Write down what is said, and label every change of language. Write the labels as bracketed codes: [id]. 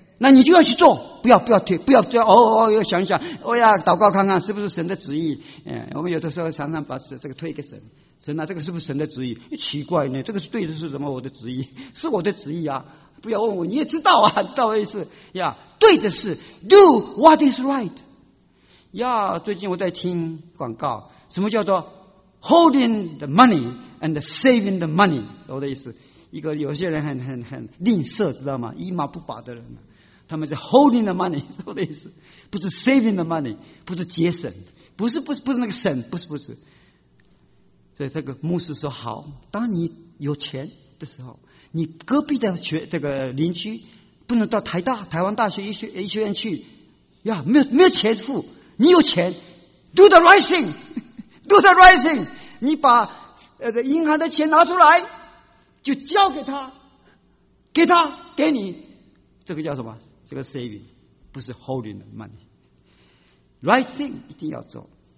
[zh] 那你就要去做，不要不要退，不要不要要想想，要祷告看看是不是神的旨意。我们有的时候常常把这个推给神，神啊，这个是不是神的旨意？奇怪呢，这个是对的，是什么？我的旨意是我的旨意啊！不要问我，你也知道啊，知道的意思呀。对的是 [en] do what is right [zh] 呀。最近我在听广告，什么叫做 [en] holding the money and saving the money？ [zh] 我的意思，一个有些人很吝啬，知道吗？一毛不拔的人。他们是 [en] holding the money， [zh] 是我的意思，不是 [en] saving the money， [zh] 不是节省，不是那个省，不是。所以这个牧师说，好，当你有钱的时候，你隔壁的这个邻居不能到台湾大学医学院去呀，没有钱付，你有钱 ， [en] do the right thing， [zh] 你把银行的钱拿出来，就交给他，给你，这个叫什么？这个 saving 不是 [en] holding the money， right thing [zh] 一定要做。